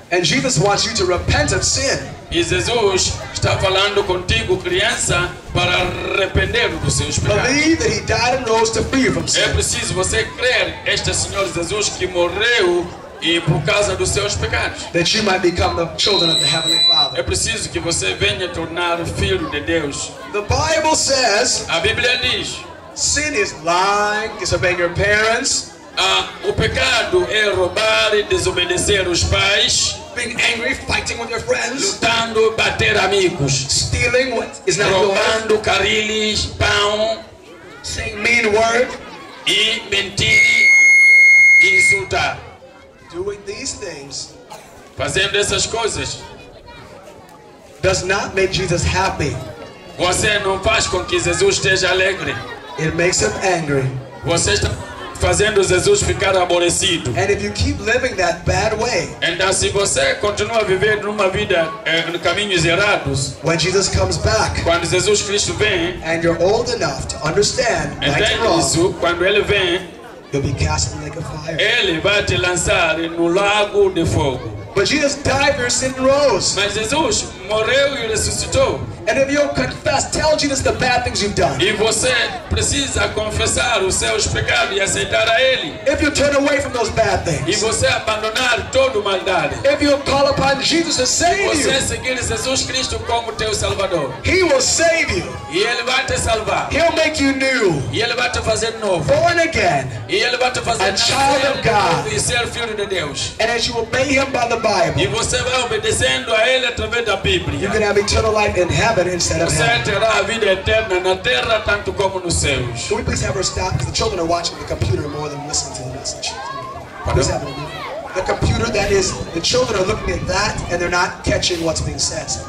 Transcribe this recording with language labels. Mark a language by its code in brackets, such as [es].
[en] And Jesus wants you to repent of sin. [pt] E Jesus está falando contigo, criança, para arrepender dos seus pecados. [en] Believe that he died and rose to free you from sin. [pt] É preciso você crer este Senhor Jesus que morreu e por causa dos seus pecados. [en] That you might become the children of the heavenly Father. [pt] É preciso que você venha tornar filho de Deus. [en] The Bible says. [pt] A Bíblia diz. [en] Sin is lying, disobeying your parents. [pt] O pecado é roubar e desobedecer os pais. [en] Being angry, fighting with your friends. [pt] Lutando, bater amigos. [en] Stealing what is not yours. [pt] Roubando, carilhos, pão. [en] Saying mean word. [pt] E mentir, insultar. [en] Doing these things. [pt] Fazendo essas coisas. [en] Does not make Jesus happy. [pt] Você não faz com que Jesus esteja alegre. [en] It makes him angry. [pt] Você está fazendo Jesus ficar aborrecido. [en] And if you keep living that bad way, [pt] and se você continua vivendo numa vida em caminhos errados, [en] when Jesus comes back, [pt] quando Jesus Cristo vem, [en] and you're old enough to understand, [pt] entende isso, quando ele vem, [en] you'll be cast in the lake of fire. [pt] Ele vai te lançar no lago de fogo. [en] But Jesus died for your sin and rose. [pt] Mas Jesus morreu e ressuscitou. [en] And if you confess, tell Jesus the bad things you've done. [pt] E você precisa confessar os seus pecados e aceitar a ele. [en] If you turn away from those bad things. [pt] E você abandonar toda maldade. [en] If you call upon Jesus to save you. [pt] E você seguir Jesus Cristo como teu Salvador. [en] He will save you. [pt] E ele vai te salvar. [en] He'll make you new. [pt] E ele vai te fazer novo. [en] Born again. [pt] E ele vai te fazer [en] a child of God. [pt] E ser filho de Deus. [en] And as you obey him by the Bible. [pt] E você vai obedecendo a ele através da Bíblia. [en] You can have eternal life in heaven. [pt] Você terá a vida eterna na terra tanto como nos céus. [en] Can we please have her stop? Because the children are watching the computer more than listening to the message. Please have it. The computer, that is, the children are looking at that and they're not catching what's being said.